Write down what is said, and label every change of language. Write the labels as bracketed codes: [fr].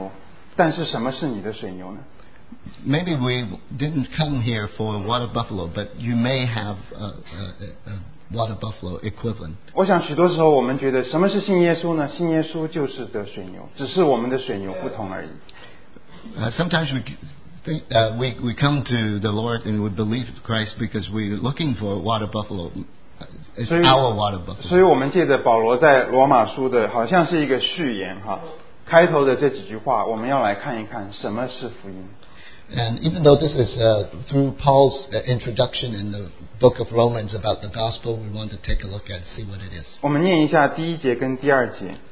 [zh] 也许我们来信耶稣不是要得水牛，但是什么是你的水牛呢？ [en] Maybe we didn't come here for water buffalo, but you may have a water buffalo equivalent. [zh] 我想许多时候我们觉得什么是信耶稣呢？信耶稣就是得水牛，只是我们的水牛不同而已。 [en] Sometimes we come to the Lord and we believe Christ because we're looking for water buffalo. It's our water buffalo. [zh] 所以我们借着保罗在罗马书的好像是一个序言哈，开头的这几句话，我们要来看一看什么是福音。 [en] And even though this is through Paul's introduction in the book of Romans about the gospel, we want to take a look at see what it is. [zh] 我们念一下第一节跟第二节。